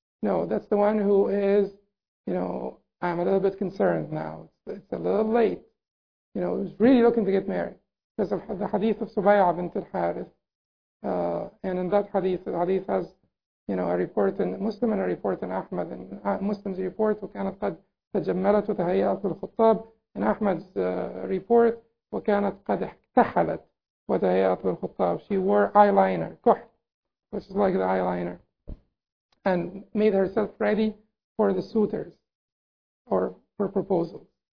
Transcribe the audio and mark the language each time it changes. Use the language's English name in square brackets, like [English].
[English] No, that's the one who is, you know, I'm a little bit concerned now. It's a little late. You know, who's really looking to get married. Because of the hadith of Subayah bint al-Harith. And in that hadith, the hadith has, you know, a report in Muslim and a report in Ahmad. And Muslim's report, [Arabic] وَكَانَتْ قَدْ تَجَمَّلَتْ وَتَهَيَّأَتْ الْخُطَّابِ. [English] In Ahmad's report, [Arabic] وَكَانَتْ قَدْ احْتَحَلَتْ وَتَهَيَّأَتْ الْخُطَّابِ. [English] She wore eyeliner, كُحْ, which is like the eyeliner, and made herself ready for the suitors or for proposal.